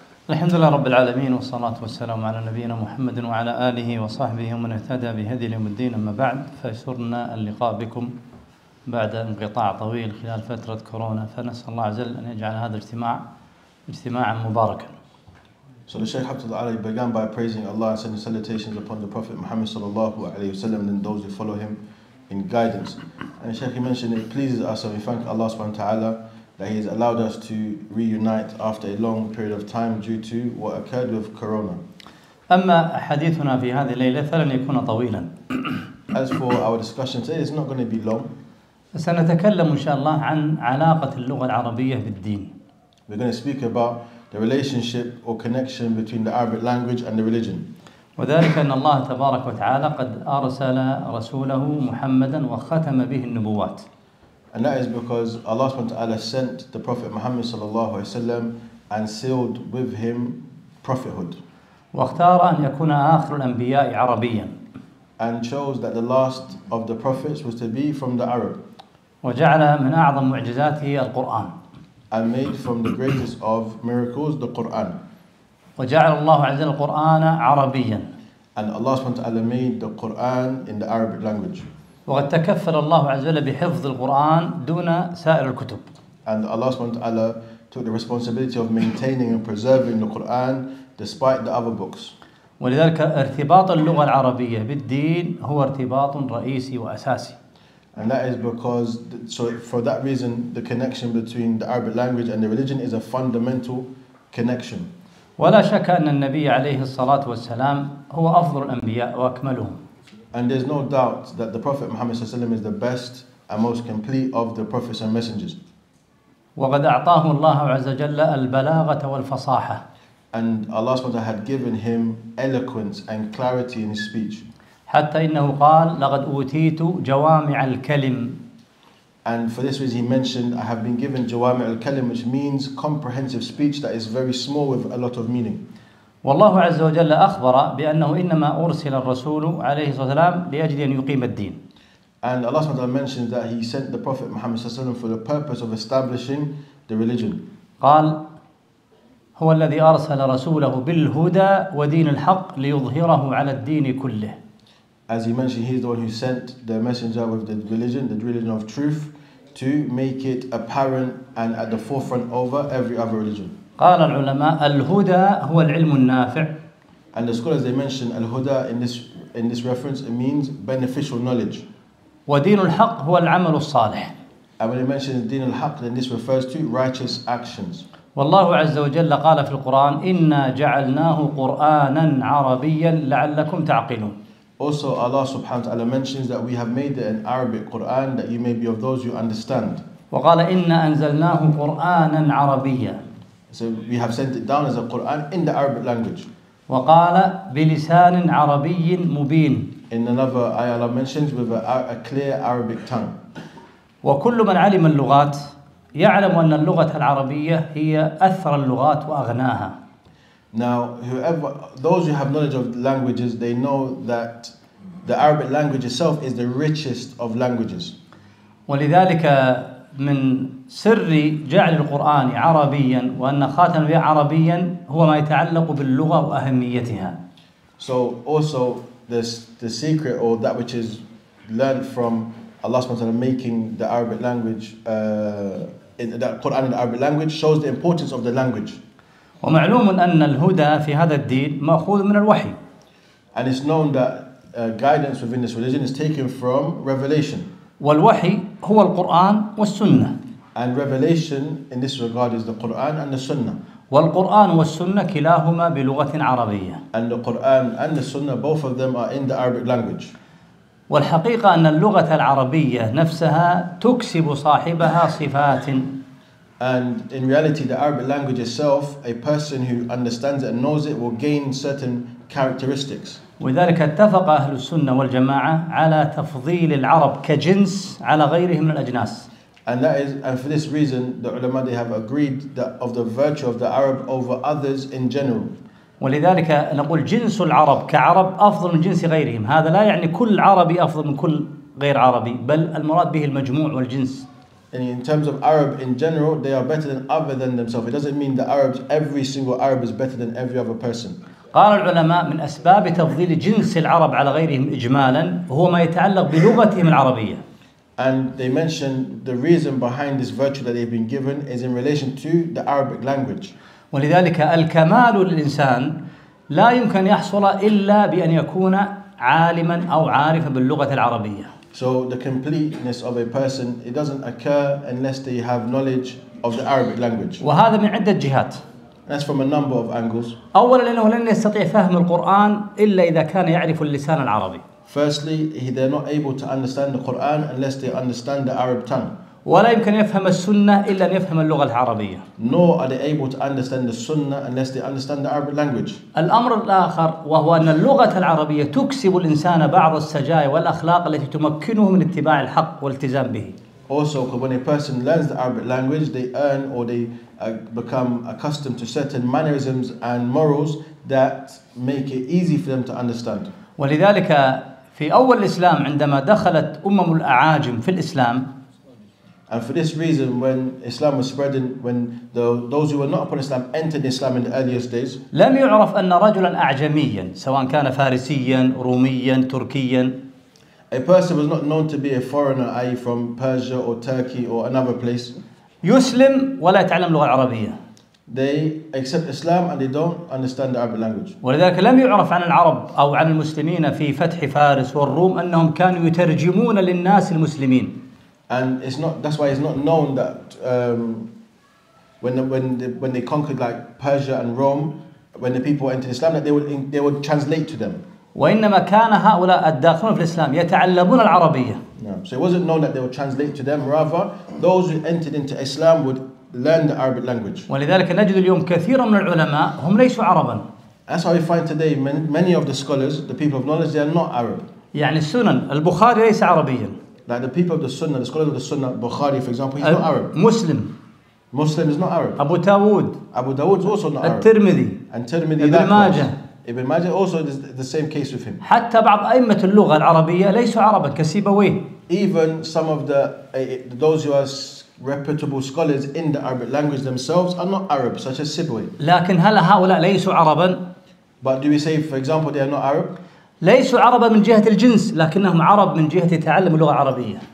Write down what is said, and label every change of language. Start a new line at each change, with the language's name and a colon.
Arabic: الحمد لله رب العالمين، والصلاة والسلام على نبينا محمد وعلى آله وصحبه ومن اهتدى بهدي يوم الدين. أما بعد، فيسرنا اللقاء بكم بعد انقطاع طويل خلال فترة كورونا، فنسأل الله عز وجل أن يجعل هذا الاجتماع اجتماعا مباركا.
English: So the Shaykh Abdul Ali began by praising Allah and sending salutations upon the Prophet Muhammad sallallahu alayhi wa sallam and those who follow him in guidance. And Shaykh, he mentioned it pleases us and we thank Allah subhanahu wa ta'ala that he has allowed us to reunite after a long period of time due to what occurred with Corona.
Arabic: أما حديثنا في هذه الليلة فلن يكون طويلا.
English: As for our discussion today, it's not going to be long.
Arabic: سنتكلم إن شاء الله عن علاقة اللغة العربية بالدين.
English: We're going to speak about the relationship or connection between the Arabic language and the religion.
Arabic: وذلك أن الله تبارك وتعالى قد أرسل رسوله محمدا وختم به النبوات.
English: And that is because Allah subhanahu wa ta'ala sent the Prophet Muhammad sallallahu alayhi wa sallam and sealed with him prophethood.
Arabic: واختار أن يكون آخر الأنبياء عربيا.
English: And chose that the last of the prophets was to be from the Arab.
Arabic: وجعل من أعظم معجزاته القرآن.
English: And made from the greatest of miracles the Quran.
Arabic: وجعل الله عز وجل القرآن عربيا.
English: And Allah subhanahu wa ta'ala made the Quran in the Arabic language.
Arabic: وقد تكفل الله عز وجل بحفظ القرآن دون سائر الكتب.
English: And Allah subhanahu wa ta'ala took the responsibility of maintaining and preserving the Quran despite the other books.
Arabic: ولذلك ارتباط اللغة العربية بالدين هو ارتباط رئيسي وأساسي.
English: And that is because for that reason the connection between the Arabic language and the religion is a fundamental connection.
Arabic: ولا شك أن النبي عليه الصلاة والسلام هو أفضل الأنبياء وأكملهم.
English: And there's no doubt that the Prophet Muhammad sallallahu alaihi wasallam is the best and most complete of the prophets and messengers.
Arabic: وقد أعطاه الله عز وجل البلاغة والفصاحة.
English: And Allah subhanahu wa ta'ala had given him eloquence and clarity in his speech.
Arabic: حتى إنه قال لقد أوتيت جوامع الكلم.
English: And for this reason, he mentioned, "I have been given
Arabic: جوامع الكلم,"
English: which means comprehensive speech that is very small with a lot of meaning.
Arabic: والله عز وجل أخبر بأنه إنما أرسل الرسول عليه الصلاة والسلام لأجل أن يقيم الدين.
English: And Allah subhanahu wa ta'ala mentions that He sent the Prophet Muhammad sallallahu alaihi wasallam for the purpose of establishing the religion.
Arabic: قال هو الذي أرسل رسوله بالهدى ودين الحق ليظهره على الدين كله.
English: As he mentioned, he's the one who sent the messenger with the religion of truth, to make it apparent and at the forefront over every other religion.
Arabic: قال العلماء الهدى هو العلم النافع.
English: And the scholars they mention الهدى in this reference it means beneficial knowledge.
Arabic: ودين الحق هو العمل الصالح.
English: And when they mention دين الحق then this refers to righteous actions.
Arabic: والله عز وجل قال في القرآن إنا جعلناه قرآنا عربيا لعلكم تعقلون.
English: Also Allah subhanahu wa ta'ala mentions that we have made it an Arabic Quran that you may be of those you understand.
Arabic: وقال إنا أنزلناه قرآنا عربيا.
English: So we have sent it down as a Quran in the Arabic language.
Arabic: وقال بلسان عربي مبين.
English: In another ayah Allah mentions with a clear Arabic tongue.
Arabic: وكل من علم اللغات يعلم أن اللغة العربية هي أثر اللغات وأغناها.
English: Now whoever those who have knowledge of languages they know that the Arabic language itself is the richest of languages.
Arabic: ولذلك من سر جعل القرآن عربيا وأن خاتم به عربيا هو ما يتعلق باللغة وأهميتها.
English: So also the secret or that which is learned from Allah subhanahu wa ta'ala making the Arabic language that Quran in the Arabic language shows the importance of the language.
Arabic: ومعلوم أن الهدى في هذا الدين مأخوذ من الوحي.
English: And it's known that guidance within this religion is taken from revelation.
Arabic: والوحي هو القرآن والسنة.
English: And revelation in this regard is the Quran and the Sunnah.
Arabic: والقرآن والسنة كلاهما بلغة عربية.
English: And the Quran and the Sunnah, both of them are in the Arabic language.
Arabic: والحقيقة أن اللغة العربية نفسها تكسب صاحبها صفات.
English: And in reality, the Arabic language itself, a person who understands it and knows it will gain certain characteristics.
Arabic: وذلك اتفق أهل السنة والجماعة على تفضيل العرب كجنس على غيره من الأجناس.
English: And that is, and for this reason, the ulama they have agreed that of the virtue of the Arab over others in general.
Arabic: ولذلك نقول جنس العرب كعرب أفضل من جنس غيرهم. هذا لا يعني كل عربي أفضل من كل غير عربي، بل المراد به المجموع والجنس.
English: And in terms of Arab in general, they are better than other than themselves. It doesn't mean that Arabs, every single Arab is better than every other person.
Arabic: قال العلماء من أسباب تفضيل جنس العرب على غيرهم إجمالا هو ما يتعلق بلغتهم العربية.
English: And they mentioned the reason behind this virtue that they've been given is in relation to the Arabic language.
Arabic: ولذلك الكمال للإنسان لا يمكن يحصل إلا بأن يكون عالما أو عارفا باللغة العربية.
English: So the completeness of a person, it doesn't occur unless they have knowledge of the Arabic language.
Arabic: وهذا من عدة جهات.
English: That's from a number of angles.
Arabic: أولا لأنه لن يستطيع فهم القرآن إلا إذا كان يعرف اللسان العربي.
English: Firstly, they're not able to understand the Quran unless they understand the Arab tongue.
Arabic: ولا يمكن يفهم السنة إلا أن يفهم اللغة العربية.
English: Nor are they able to understand the Sunnah unless they understand the Arabic language.
Arabic: الأمر الآخر وهو أن اللغة العربية تكسب الإنسان بعض السجايا والأخلاق التي تمكنه من اتباع الحق والالتزام به.
English: Also, when a person learns the Arabic language, they earn or they become accustomed to certain mannerisms and morals that make it easy for them to understand.
Arabic: ولذلك في أول الإسلام عندما دخلت أمم الأعاجم في الإسلام.
English: And for this reason, when Islam was spreading, when those who were not upon Islam entered Islam in the earliest days,
Arabic: لم يعرف أن رجلا أعجميا سواء كان فارسيا روميا تركيا.
English: A person was not known to be a foreigner, i.e. from Persia or Turkey or another place.
Arabic: يسلم ولا يتعلم لغة عربية.
English: They accept Islam and they don't understand the Arabic language.
Arabic: ولذلك لم يعرف عن العرب أو عن المسلمين في فتح فارس والروم أنهم كانوا يترجمون للناس المسلمين.
English: And it's not. That's why it's not known that when they conquered like Persia and Rome, when the people entered Islam, that they would translate to them.
Arabic: وإنما كان هؤلاء الداخلون في الإسلام يتعلمون العربية. Yeah.
English: So it wasn't known that they would translate to them. Rather, those who entered into Islam would learn the Arabic language.
Arabic: ولذلك نجد اليوم كثيرا من العلماء هم ليسوا عربا.
English: That's how we find today many of the scholars, the people of knowledge, they are not Arab.
Arabic: يعني السنن البخاري ليس عربيا.
English: Like the people of the Sunnah, the scholars of the Sunnah, Bukhari, for example, he's not Arab. Muslim is not Arab. Abu Dawood. Abu Dawood is also not Arab. Al-Tirmidhi. And Tirmidhi, Ibn Majah. Ibn Majah also is the same case with him.
Arabic: حتى بعض أئمة اللغة العربية ليسوا عربا كسيبويه.
English: Even some of those who are reputable scholars in the Arabic language themselves are not Arab, such as Sibawi.
Arabic: لكن هل هؤلاء ليسوا عربا؟
English: But do we say, for example, they are not Arab?
Arabic: ليسوا عربا من جهة الجنس لكنهم عرب من جهة تعلم اللغة العربية.